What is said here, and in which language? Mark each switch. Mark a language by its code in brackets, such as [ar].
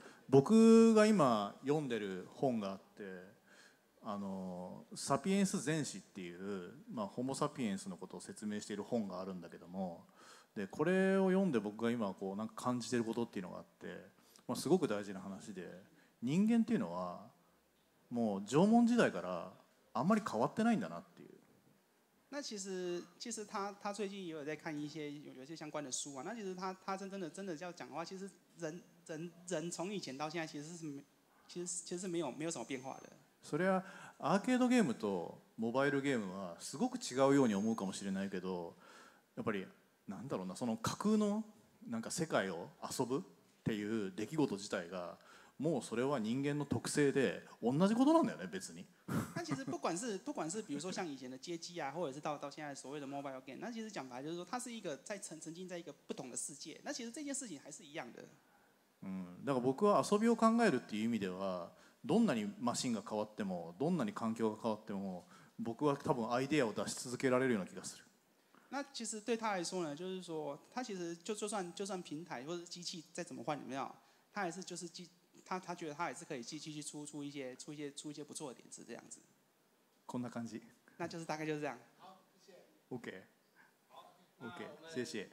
[ja] 僕が今読んでる本があって、あのサピエンス全史っていう、まあ、ホモサピエンスのことを説明している本があるんだけども、でこれを読んで僕が今こうなんか感じてることっていうのがあって、まあ、すごく大事な話で、人間っていうのはもう縄文時代からあんまり変わってないんだなっていう。 [zh] 那其实 他最近也有在看一些 有些相关的书啊。那其实 他真的要讲的话，其实人从以前到现在其实是没有什么变化的。 [ja] それはアーケードゲームとモバイルゲームはすごく違うように思うかもしれないけど、やっぱりなんだろうな、その架空のなんか世界を遊ぶっていう出来事自体がもうそれは人間の特性で同じことなんだよね別に。 [zh] 那其实不管是比如说像以前的街机啊，或者是到现在所谓的 mobile game， 那其实讲白就是说它是一个在沉浸在一个不同的世界，那其实这件事情还是一样的。 [ja] だから僕は遊びを考えるっていう意味では、どんなにマシンが変わっても、どんなに環境が変わっても、僕は多分アイデアを出し続けられるような気がする。 [zh] 那其实对他来说呢，就是说他其实 就算平台或者机器再怎么换怎么样，他还是就是机。他觉得他也是可以继续出一些不错的点子这样子。 [ja] こんな感じ。 [zh] 那就是大概就是这样。好，谢谢。OK。 好。OK。谢谢。